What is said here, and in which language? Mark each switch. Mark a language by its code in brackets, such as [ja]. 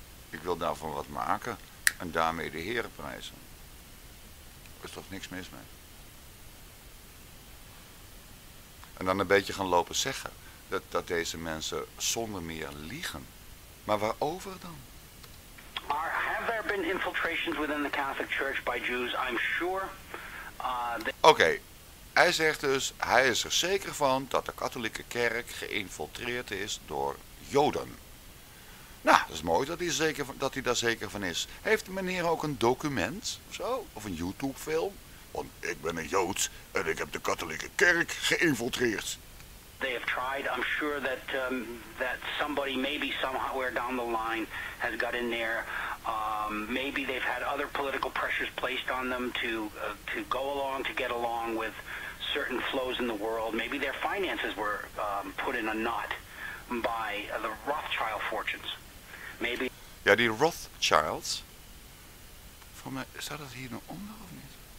[nl] Ik wil daarvan wat maken en daarmee de Heer prijzen. Er is toch niks mis mee. En dan een beetje gaan lopen zeggen dat deze mensen zonder meer liegen. Maar waarover dan? [en] Have there been infiltrations within the Catholic Church by Jews? I'm sure. Okay. [nl] Hij zegt dus, hij is er zeker van dat de katholieke kerk geïnfiltreerd is door Joden. Nou, dat is mooi dat hij daar zeker van is. Heeft de meneer ook een document of zo? Of een YouTube-film? Want ik ben een Jood en ik heb de katholieke kerk geïnfiltreerd. [en] They have tried. I'm sure that that somebody, maybe somewhere down the line, has got in there. Maybe they've had other political pressures placed on them to go along, to get along with certain flows in the world. Maybe their finances were put in a knot by the Rothschild fortunes. Maybe. [nl] Ja, die Rothschilds. Voor mij staat dat hier nog onder of niet?